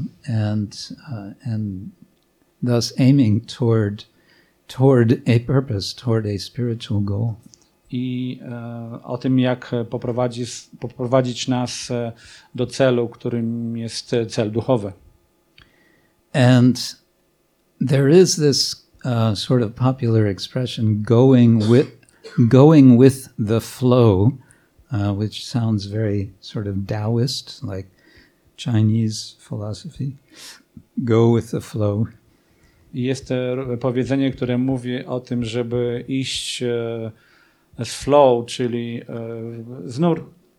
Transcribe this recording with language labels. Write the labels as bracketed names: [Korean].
[English] And thus aiming toward a purpose, toward a spiritual goal. [Polish] I o tym, jak poprowadzić nas do celu, którym jest cel duchowy. [English] And there is this sort of popular expression, going with the flow, which sounds very sort of Taoist, like Chinese philosophy. Go with the flow. [Polish] Jest powiedzenie, które mówi o tym, żeby iść z flow, czyli z nur.